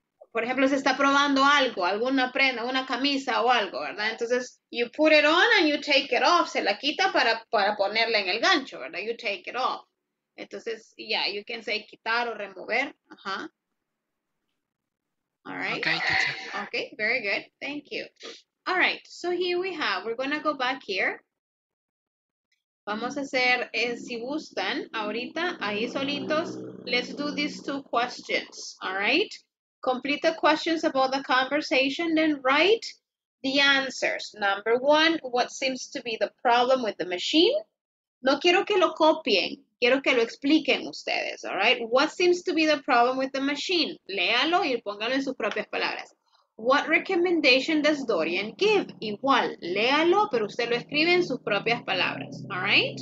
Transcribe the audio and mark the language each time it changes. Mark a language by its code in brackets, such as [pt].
[es] Por ejemplo, se está probando algo, alguna prenda, una camisa o algo, ¿verdad? Entonces, [en] you put it on and you take it off. [es] Se la quita para ponerla en el gancho, ¿verdad? [en] You take it off. Entonces, yeah, you can say [es] quitar o remover. [en] Ajá. All right. Okay, teacher. Okay, very good. Thank you. All right, so here we have, we're going to go back here. [es] Vamos a hacer, si gustan, ahorita, ahí solitos, [en] let's do these two questions, all right? Complete the questions about the conversation, then write the answers. Number one, what seems to be the problem with the machine? [es] No quiero que lo copien, quiero que lo expliquen ustedes, [en] all right? What seems to be the problem with the machine? [es] Léalo y póngalo en sus propias palabras. [en] What recommendation does Dorian give? [es] Igual, léalo, pero usted lo escribe en sus propias palabras, [en] all right?